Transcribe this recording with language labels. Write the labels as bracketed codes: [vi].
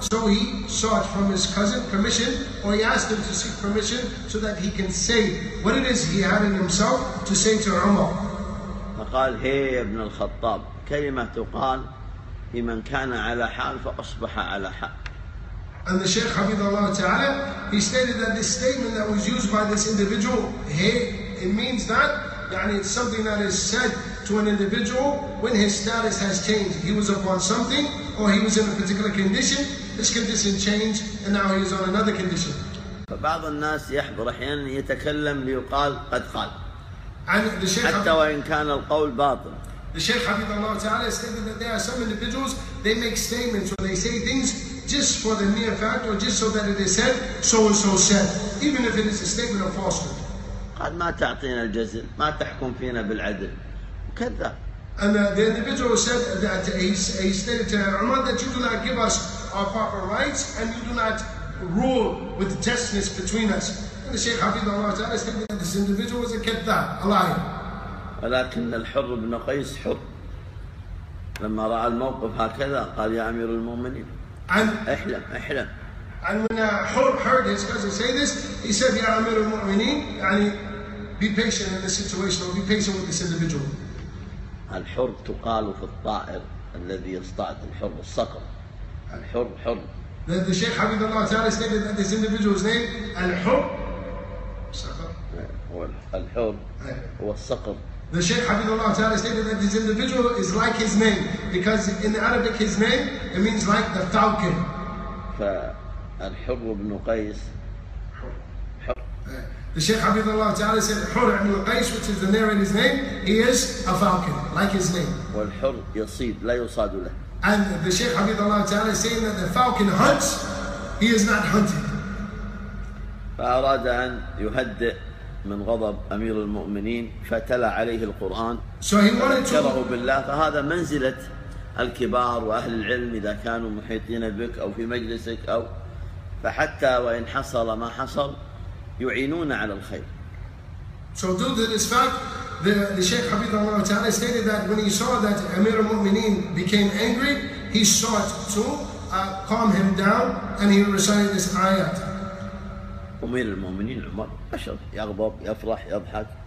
[en] So he sought from his cousin permission, or he asked him to seek permission so that he can say what it is he had in himself to say to Umar. [ar] فقال هي ابن الخطاب كلمة تقال لمن كان على حال فأصبح على حال. [en] And the Sheikh Hafidhullah Ta'ala, he stated that this statement that was used by this individual, he, it means that يعني, it's something that is said to an individual when his status has changed. He was upon something or he was in a particular condition. This condition changed and now he is on another condition. [ar] فبعض الناس يحضر أحيانا يتكلم ليقال قد قال حتى وإن كان القول باطل. [en] The Sheikh Hafidhullah Ta'ala stated that there are some individuals, they make statements or they say things just for the mere fact or just so that it is said, so and so said, even if it is a statement of falsehood. [ar] قد ما تعطينا الجزل ما تحكم فينا بالعدل كذا. [en] And the individual said that he stated to Umar that you do not give us our proper rights and you do not rule with the justness between us. And the Sheikh Hafidhullah Ta'ala stated that this individual was a kadha, a liar. [ar] ولكن الحر بن قيس حر لما رأى الموقف هكذا قال يا أمير المؤمنين احلم احلم. [en] And when حر heard his cousin say this, he said [ar] يا أمير المؤمنين [en] يعني be patient in this situation or be patient with this individual. [ar] الحر تقال في الطائر الذي يصطاد الحر الصقر. الحر حر. [en] The Sheikh Hafidhullah Ta'ala stated that this individual's name الحر [ar] الصقر. الحر هو الصقر. [en] The Shaykh Hafidhullah Ta'ala stated that this individual is like his name, because in Arabic his name, it means like the falcon. [ar] فالحر بن قيس حر. [en] The Shaykh Hafidhullah Ta'ala said, حر بن قيس, which is the narrator's name, he is a falcon, like his name. [ar] والحر يصيد لا يصاد له. [en] And the Shaykh Hafidhullah Ta'ala is saying that the falcon hunts, he is not hunted. [ar] فأراد أن يهدئ من غضب أمير المؤمنين فتلى عليه القرآن ذكره بالله. فهذا منزلة الكبار وأهل العلم إذا كانوا محيطين بك أو في مجلسك أو فحتى وإن حصل ما حصل يعينون على الخير. [en] So due to this fact, the Sheikh Hafidhullah Ta'ala stated that when he saw that Amir al-Mu'mineen became angry, he sought to calm him down and he recited this ayat. [ar] أمير المؤمنين عمر بشر يغضب يفرح يضحك.